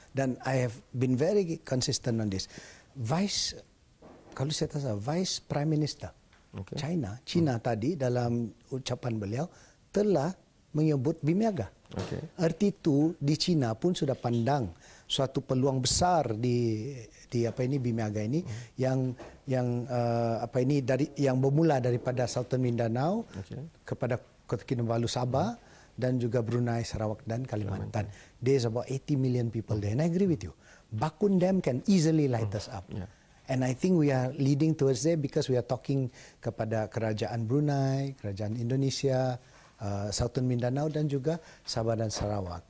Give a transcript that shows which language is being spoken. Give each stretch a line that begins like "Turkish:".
English: Dan I have been very consistent on this. Vice Prime Minister okay.
Malay: China tadi dalam ucapan beliau telah menyebut BIM IAGA. Okay. Erti itu di China pun sudah pandang suatu peluang besar di apa ini BIM IAGA ini mm-hmm. yang bermula daripada Sultan Mindanao okay. kepada Kota Kinabalu Sabah hmm. dan juga Brunei, Sarawak dan Kalimantan.
English: There's about 80 million people there. And I agree with you. Bakun Dam can easily light us up. Yeah. And I think we are leading towards there because we are talking
Malay: kepada Kerajaan Brunei, Kerajaan Indonesia, Sultan Mindanao dan juga Sabah dan Sarawak.